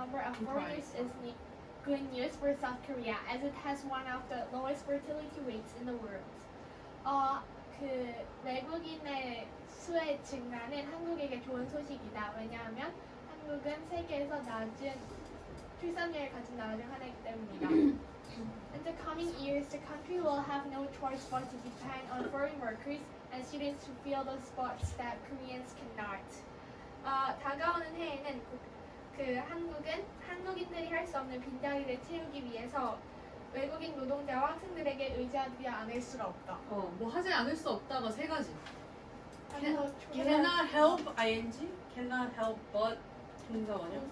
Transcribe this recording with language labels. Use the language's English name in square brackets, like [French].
[English] The rising number of foreigners is good news for South Korea, as it has one of the lowest fertility rates in the world. [Korean] 그 외국인의 수의 증가는 한국에게 좋은 소식이다. 왜냐하면 한국은 세계에서 낮은 출산율을 가진 나라 중 하나이기 때문이다. [English] In the coming years, the country will have no choice but to depend on foreign workers and students to fill the spots that Koreans cannot. [Korean] 다가오는 해에는 그 한국은 한국인들이 할 수 없는 빈자리를 채우기 위해서 외국인 노동자와 학생들에게 의지하지 않을 수가 없다. 뭐 하지 않을 수 없다가 세 가지. [English] Cannot help ing, cannot help but 동사원형.